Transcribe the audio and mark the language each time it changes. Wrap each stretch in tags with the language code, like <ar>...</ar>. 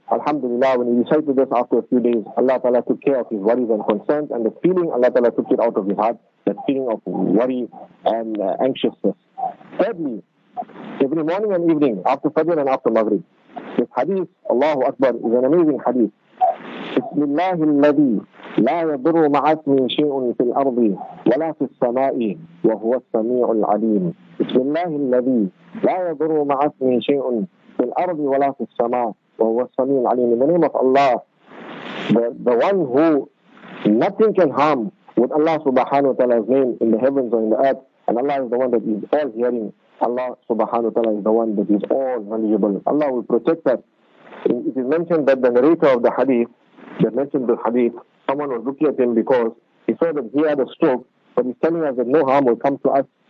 <en>Alhamdulillah, when he recited this after a few days, Allah ta'ala took care of his worries and concerns, and the feeling Allah ta'ala took it out of his heart, that feeling of worry and anxiousness. Thirdly, every morning and evening, after Fajr and after Maghrib, this hadith, Allahu Akbar, is an amazing hadith.</en> <ar>بسم الله الذي لا يضر مع اسمه شيء في الأرض ولا في السماء وهو السميع العليم. بسم الله الذي لا يضر مع اسمه شيء في الأرض ولا في السماء وهو السميع العليم.</ar> <en>In the name of Allah, the one who nothing can harm with Allah subhanahu wa ta'ala's name in the heavens or in the earth, and Allah is the one that is all hearing. Allah subhanahu wa ta'ala is the one that is all knowledgeable. Allah will protect us. It is mentioned that the narrator of the hadith, they mentioned the hadith, someone was looking at him because he saw that he had a stroke, but he's telling us that no harm will come to us.</en>